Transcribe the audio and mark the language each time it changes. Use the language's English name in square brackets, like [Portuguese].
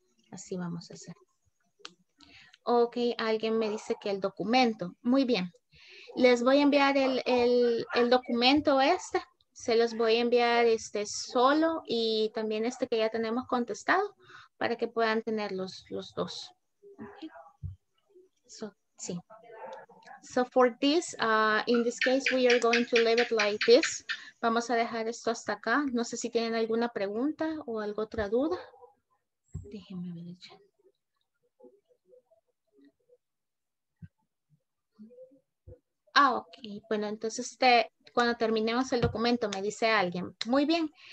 [Spanish] Así vamos a hacer. Ok, alguien me dice que el documento. Muy bien. Les voy a enviar el documento este. Se los voy a enviar este solo y también este que ya tenemos contestado para que puedan tener los dos. [English] Okay. So, [Spanish] sí. [English] So for this, in this case, we are going to leave it like this. [Spanish] Vamos a dejar esto hasta acá. No sé si tienen alguna pregunta o alguna otra duda. Déjenme ver el chat. Ah, ok. Bueno, entonces cuando terminemos el documento, me dice alguien. Muy bien.